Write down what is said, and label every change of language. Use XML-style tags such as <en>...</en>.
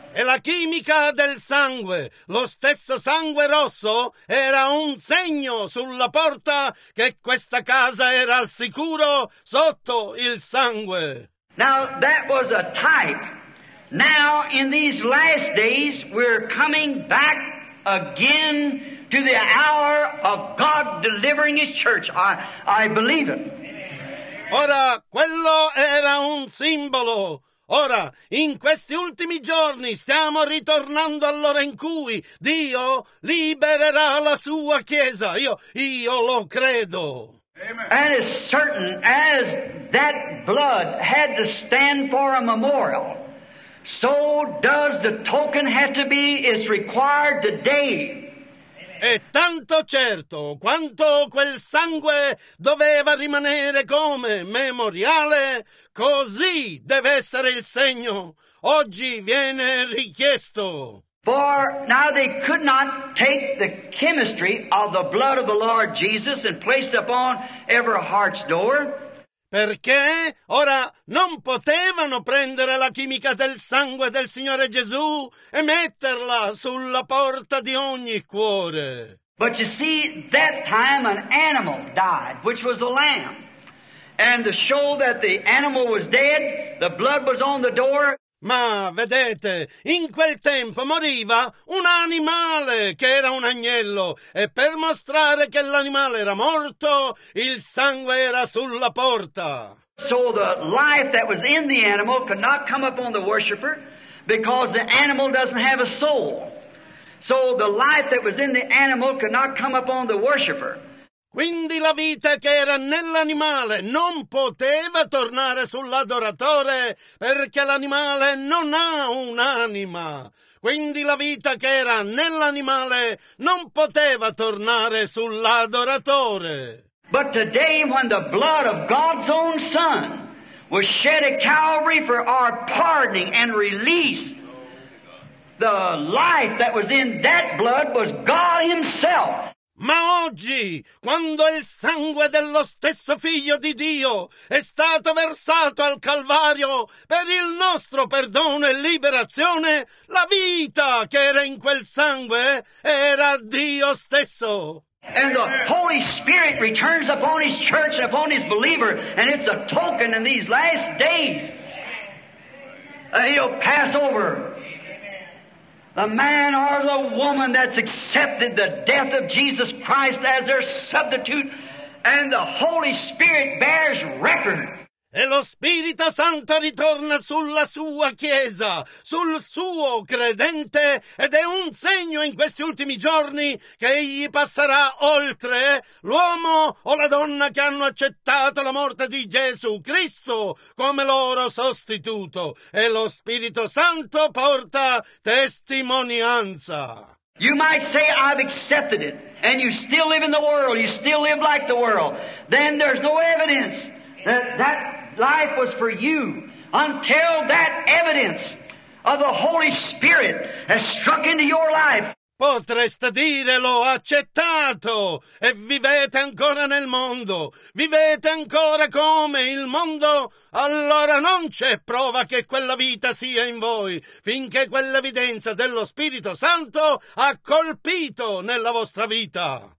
<it>E la chimica del sangue, lo stesso sangue rosso, era un segno sulla porta che questa casa era al sicuro sotto il sangue.</it> <en>Now that was a type. Now in these last days we're coming back again to the hour of God delivering His church. I believe it.</en> <it>Ora, quello era un simbolo. Ora, in questi ultimi giorni stiamo ritornando all'ora in cui Dio libererà la sua chiesa. Io lo credo.</it> <en>And as certain as that blood had to stand for a memorial, so does the token have to be, is required today.</en> <it>E tanto certo quanto quel sangue doveva rimanere come memoriale, così deve essere il segno. Oggi viene richiesto.</it> <en>For now they could not take the chemistry of the blood of the Lord Jesus and place it upon every heart's door.</en> <it>Perché ora non potevano prendere la chimica del sangue del Signore Gesù e metterla sulla porta di ogni cuore.</it> <en>But you see, that time an animal died, which was a lamb. And to show that the animal was dead, the blood was on the door.</en> <it>Ma vedete, in quel tempo moriva un animale che era un agnello, e per mostrare che l'animale era morto, il sangue era sulla porta.</it> <en>So the life that was in the animal could not come upon the worshiper, because the animal doesn't have a soul. So the life that was in the animal could not come upon the worshiper.</en> <it>Quindi la vita che era nell'animale non poteva tornare sull'adoratore, perché l'animale non ha un'anima. Quindi la vita che era nell'animale non poteva tornare sull'adoratore.</it> <en>But today when the blood of God's own Son was shed at Calvary for our pardoning and release, the life that was in that blood was God Himself.</en> <it>Ma oggi, quando il sangue dello stesso Figlio di Dio è stato versato al Calvario per il nostro perdono e liberazione, la vita che era in quel sangue era Dio stesso.</it> <en>And the Holy Spirit returns upon His church and upon His believer, and it's a token in these last days. He'll pass over. The man or the woman that's accepted the death of Jesus Christ as their substitute, and the Holy Spirit bears record.</en> <it>E lo Spirito Santo ritorna sulla sua chiesa, sul suo credente, ed è un segno in questi ultimi giorni che egli passerà oltre l'uomo o la donna che hanno accettato la morte di Gesù Cristo come loro sostituto. E lo Spirito Santo porta testimonianza.</it> <en>You might say, I've accepted it, and you still live in the world, you still live like the world. Then there's no evidence that life was for you until that evidence of the Holy Spirit has struck into your life.</en> <it>Potreste dire l'ho accettato e vivete ancora nel mondo, vivete ancora come il mondo, allora non c'è prova che quella vita sia in voi finché quell'evidenza dello Spirito Santo ha colpito nella vostra vita.</it>